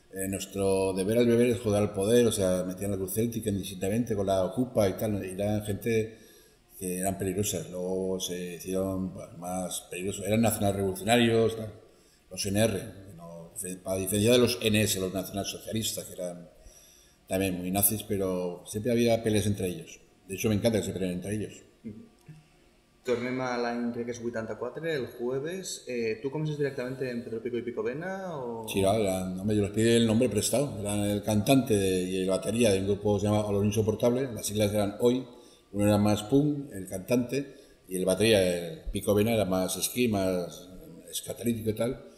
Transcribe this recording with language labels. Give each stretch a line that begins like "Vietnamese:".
Spanish: Nuestro deber al beber es joder al poder, o sea, metían la cruz céltica indistintamente con la ocupa y tal, y eran gente que eran peligrosas. Luego se hicieron más peligrosos, eran nacionalrevolucionarios, tal. Los NR, no, para diferencia de los NS, los nacionalsocialistas, que eran también muy nazis, pero siempre había peleas entre ellos. De hecho, me encanta que se peleen entre ellos.
Catalan: Tornem a l'any, crec que és 84, el jueves. ¿Tú comences directamente en Pedro Pico y Pico Vena? O...
Spanish: Sí, hombre, yo les pide el nombre prestado. Eran el cantante y el batería de un grupo que se llama Los Insoportables. Las siglas eran Hoy. Uno era más punk, el cantante, y el batería, el Pico Vena, era más esquí, más escatalítico y tal.